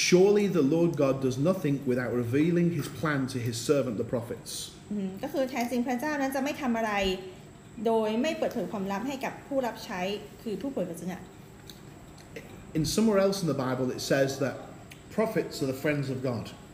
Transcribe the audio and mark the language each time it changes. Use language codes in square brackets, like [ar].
[en] Surely the Lord God does nothing without revealing His plan to His servant the prophets. [th] ก็คือแท้จริงพระเจ้านั้นจะไม่ทำอะไรโดยไม่เปิดเผยความลับให้กับผู้รับใช้คือผู้เผยพระวจนะ [en] In somewhere else in the Bible, it says that prophets are the friends of God.